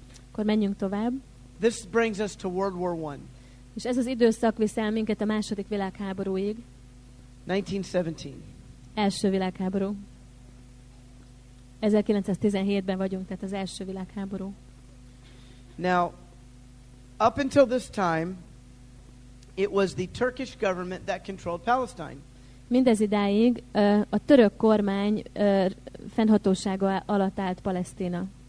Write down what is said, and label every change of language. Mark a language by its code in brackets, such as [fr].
[hu] Akkor menjünk tovább. [en] This brings us to World War One. [hu] És ez az időszak visz el minket a második világháborúig. [en] 1917. [hu] Első világháború. 1917-ben vagyunk, tehát az első világháború. [en] Now, up until this time, it was the Turkish government that controlled Palestine. [hu] Mindez idáig a török kormány fennhatósága alatt állt Palesztina.